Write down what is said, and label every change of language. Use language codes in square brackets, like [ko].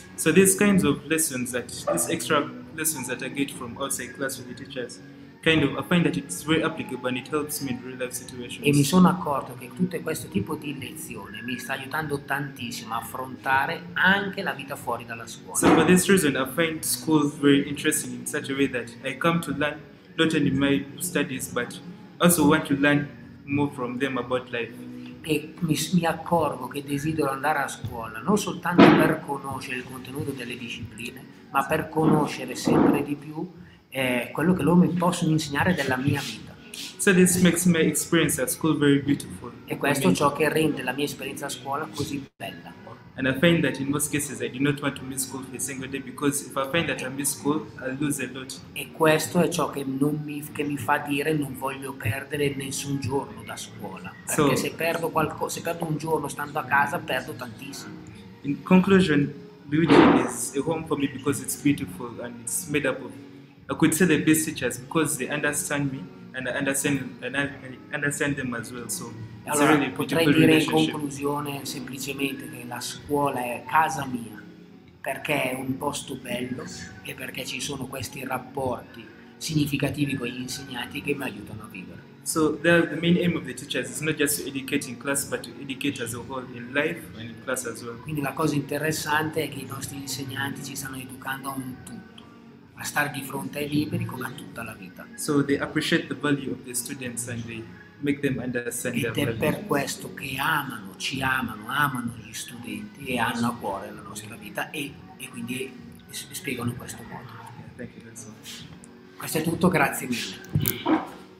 [en] So these kinds of lessons that this extra lessons that I get from outside class with the teachers kind of, I find that it's very applicable and it helps me in real life situations. [it] E mi sono accorto che tutto questo tipo di lezione mi sta aiutando tantissimo a affrontare anche la vita fuori dalla scuola. [en] So for this reason I find school very interesting in such a way that I come to learn not only my studies but also want to learn more from them about life. [it] E mi accorgo che desidero andare a scuola non soltanto per conoscere il contenuto delle discipline, ma per conoscere sempre di più quello che loro mi possono insegnare della mia vita. [en] So this makes my experience at school very beautiful. [it] E questo è ciò che rende la mia esperienza a scuola così bella. [en] And I find that in most cases I do not want to miss school for a single day because if I find that I miss school, I'll lose a lot. [it] E questo è ciò che mi fa dire non voglio perdere nessun giorno da scuola. Perché se perdo un giorno stando a casa, perdo tantissimo. [en] In conclusion, Luigi is a home for me because it's beautiful and it's made up of, I could say, the best teachers because they understand me and I understand them as well. So it's [it] allora, [en] a really beautiful [it] potrei dire [en] relationship. [it] In conclusione semplicemente che la scuola è casa mia perché è un posto bello e perché ci sono questi rapporti significativi con gli insegnanti che mi aiutano a vivere. [en] So the main aim of the teachers is not just to educate in class but to educate as a whole in life and in class as well. [it] Quindi la cosa interessante è che i nostri insegnanti ci stanno educando a un tutto, a stare di fronte ai libri come a tutta la vita. [en] So they appreciate the value of the students and they make them understand their value. [it] Ed è per questo che amano gli studenti e hanno a cuore la nostra vita e quindi spiegano in questo modo. [en] Thank you so much. [it] Questo è tutto, grazie mille.